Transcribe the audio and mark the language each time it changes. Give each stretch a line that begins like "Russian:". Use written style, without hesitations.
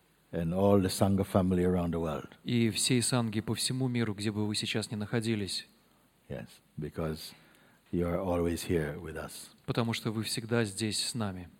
English: And all the Sangha family around the world.
Russian: И всей Санги по всему миру, где бы вы сейчас ни находились.
English: Yes, because you are always here with us.
Russian: Потому что вы всегда здесь с нами.